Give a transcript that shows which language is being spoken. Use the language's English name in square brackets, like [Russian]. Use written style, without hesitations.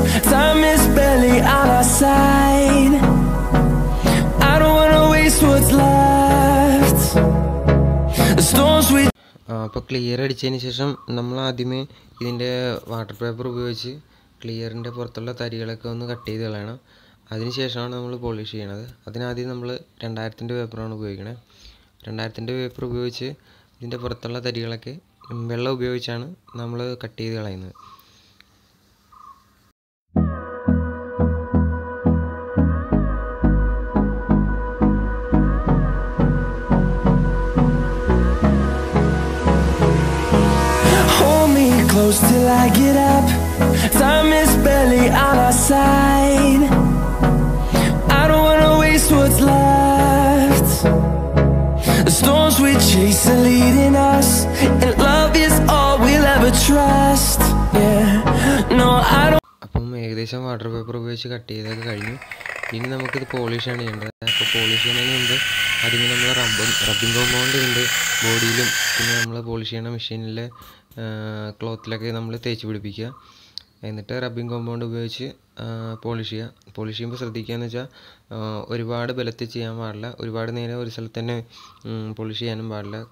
[English] Time is barely on our side. I don't wanna waste what's left. The storms we [Malayalam] അപ്പോൾ clear അടിച്ചതിന് ശേഷം നമ്മൾ ആദ്യമേ ഇതിൻ്റെ വാട്ടർ പേപ്പർ ഉപയോഗിച്ച് ക്ലിയറിൻ്റെ പുറത്തുള്ള തരികളൊക്കെ ഒന്ന് കട്ട് ചെയ്ത് കളയണം. അതിനുശേഷമാണ് നമ്മൾ പോളിഷ് ചെയ്യണത്. അതിനാദ്യം നമ്മൾ 2000 പേപ്പറാണ് ഉപയോഗിക്കണേ. 2000 പേപ്പർ ഉപയോഗിച്ച് ഇതിൻ്റെ പുറത്തുള്ള തരികളൊക്കെ വെള്ളം ഉപയോഗിച്ചാണ് നമ്മൾ കട്ട് ചെയ്ത് കളയുന്നത്. [English] Close till I get up. Time is barely on our side. I don't wanna waste what's left. The storms we chase are leading us, and love is all we'll ever trust. Yeah, no, I don't. [Malayalam] അപ്പം ഏകദേശം water paper ഉപയോഗിച്ച് cut ചെയ്തൊക്കെ കഴിഞ്ഞു. ഇനി നമുക്കിത് polish ചെയ്യാൻ ചെയ്യേണ്ടത്. അപ്പോൾ പോളിഷ് ചെയ്യണമെന്നുണ്ട്, അതിങ്ങനെ നമ്മൾ റബ്ബിംഗ് കോമ്പൗണ്ട് ഉണ്ട് ബോഡിയിലും, പിന്നെ നമ്മൾ പോളിഷ് ചെയ്യണ മെഷീനിലെ ക്ലോത്തിലൊക്കെ നമ്മൾ തേച്ച് പിടിപ്പിക്കുക. എന്നിട്ട് റബ്ബിംഗ് കോമ്പൗണ്ട് ഉപയോഗിച്ച് പോളിഷ് ചെയ്യുക. പോളിഷ് ചെയ്യുമ്പോൾ ശ്രദ്ധിക്കുക എന്ന് വെച്ചാൽ ഒരുപാട് ബലത്തിൽ ചെയ്യാൻ പാടില്ല, ഒരുപാട് നേരം ഒരു സ്ഥലത്ത് തന്നെ പോളിഷ് ചെയ്യാനും പാടില്ല.